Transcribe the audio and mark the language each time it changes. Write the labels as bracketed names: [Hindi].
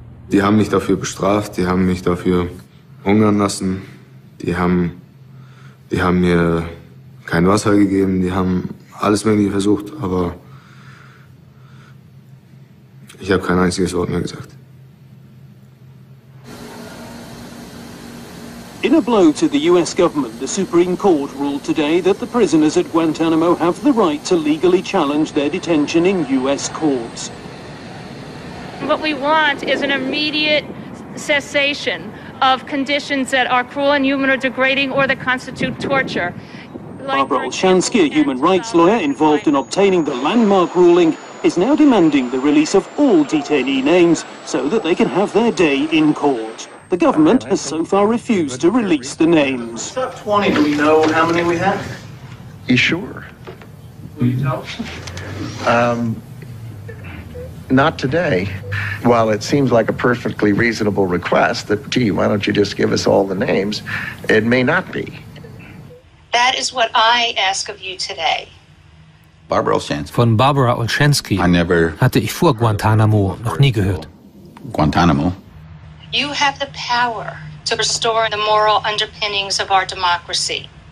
[German] Die haben mich dafür bestraft, die haben mich dafür hungern lassen, die haben mir kein Wasser gegeben, die haben alles Mögliche versucht, aber ich habe kein einziges Wort mehr gesagt. [English] In a blow to the US government, the Supreme Court ruled today that the prisoners at Guantanamo have the right to legally challenge their detention in US courts. What we want is an immediate cessation of conditions that are cruel, inhuman, or degrading, or that constitute torture. Barbara Olshansky, a human rights lawyer involved in obtaining the landmark ruling, is now demanding the release of all detainee names so that they can have their day in court. The government has so far refused to release the names. Top 20, do we know how many we have? You sure? Will you tell us? Not today. While it seems like a perfectly reasonable request that, gee, why don't you just give us all the names, it may not be. That is what I ask of you today. Barbara Olshansky. [German] Von Barbara Olshansky hatte ich vor Guantanamo noch nie gehört. Guantanamo. [English] You have the power to restore the moral underpinnings of our democracy.